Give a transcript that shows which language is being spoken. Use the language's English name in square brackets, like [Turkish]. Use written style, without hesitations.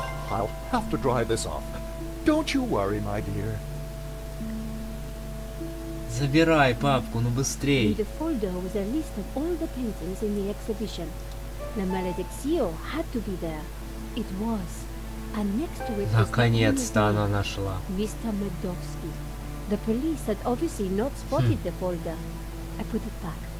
[English] I'll have to dry this off. Don't you worry, my dear. [Russian] Забирай папку, ну быстрее. [English] In the folder was a list of all the paintings in the exhibition. La Maledixio had to be there. It was. And next to it was [Russian] наконец-то она нашла. [English] Mr. Medovsky. The police had obviously not spotted the folder. I put it back.